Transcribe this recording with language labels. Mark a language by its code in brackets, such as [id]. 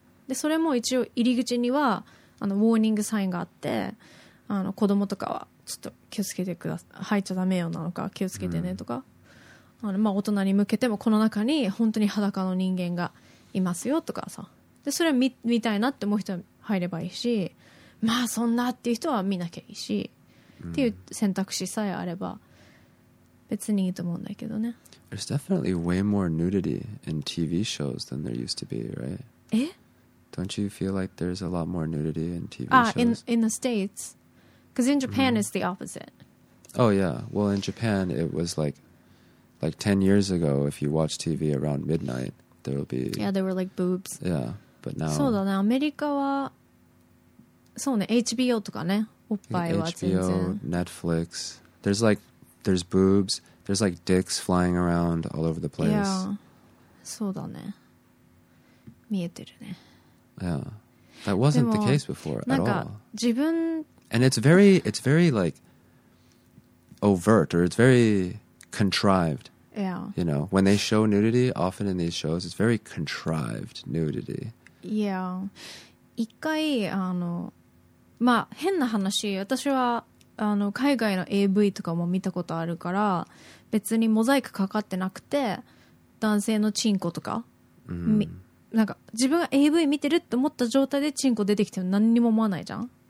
[ja] でそれも一応入り口にはあのウォーニングサインがあって、あの子供とかはちょっと気をつけてください、入っちゃダメよなのか気をつけてねとか、うん、あのまあ大人に向けてもこの中に本当に裸の人間がいますよとかさ、でそれ 見たいなって思う人は入ればいいし、まあそんなっていう人は見なきゃいいし、うん、っていう選択肢さえあれば別にいいと思うんだけどね。 [en] There's definitely way more nudity in TV shows than there used to be, right? え？ Don't you feel like there's a lot more nudity in TV shows? In the States. Because in Japan,、mm-hmm. it's the opposite. Oh, yeah. Well, in Japan, it was like 10 years ago, if you watch TV around midnight, there will be... Yeah, there were like boobs. Yeah, but now... [ja] そうだね。アメリカは、そうね。HBO とかね。おっぱいは全然。 [en] HBO, Netflix. There's like... There's boobs. There's like dicks flying around all over the place. [ja] Yeah. そうだね。見えてるね。 [en] Yeah. That wasn't the case before at all. [ja] 自分 [en] And it's very like overt or it's very contrived. Yeah. You know, when they show nudity, often in these shows, it's very contrived nudity. [ja] Yeah. 一回、あの、まあ、変な話。私は、あの、海外の AV とかも見たことあるから、別にモザイクかかってなくて、男性のチンコとか。 Mm-hmm. なんか自分が AV 見てるって思った状態でチンコ出てきても何にも思わないじゃん。